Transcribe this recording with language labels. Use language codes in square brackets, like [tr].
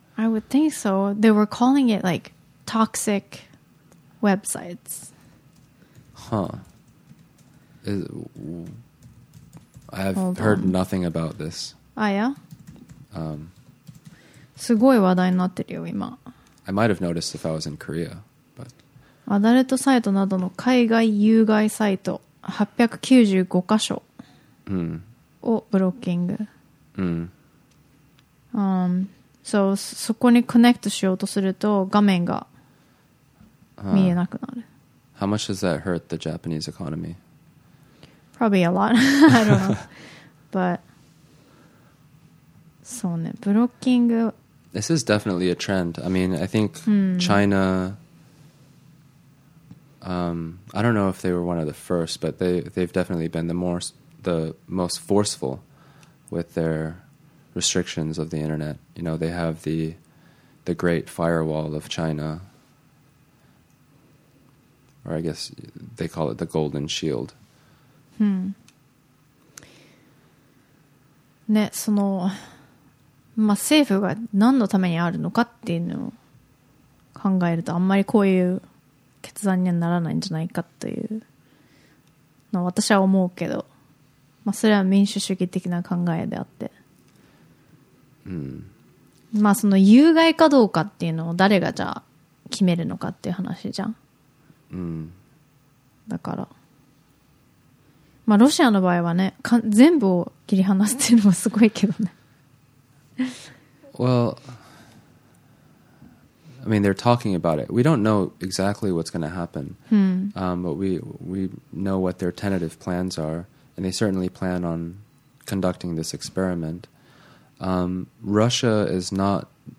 [en] I would think so. They were calling it like toxic websites. Huh. I've heard nothing about this. Ah, yeah? [ja] すごい話題になってるよ、今。 [en] I might have noticed if I was in Korea, but... [ja] アダルトサイトなどの海外有害サイト895箇所をブロッキング。そこにコネクトしようとすると画面が見えなくなる。 [en] How much does that hurt the Japanese economy? Probably a lot. I don't know. But, [ja] そうね、ブロッキング。 [en] This is definitely a trend. I mean, I think China, I don't know if they were one of the first, but they've definitely been the, more, the most forceful with their restrictions of the internet. You know, they have the great firewall of China, or I guess they call it the Golden Shield. [ja] ね、その、まあ、政府が何のためにあるのかっていうのを考えると、あんまりこういう決断にはならないんじゃないかというの私は思うけど、まあ、それは民主主義的な考えであって、うん、まあその有害かどうかっていうのを誰がじゃあ決めるのかっていう話じゃん、うん、だからまあロシアの場合はね、全部を切り離すっていうのはすごいけどね。 [en] Well, I mean, they're talking about it. We don't know exactly what's going to happen,、but we know what their tentative plans are, and they certainly plan on conducting this experiment.、Russia is not,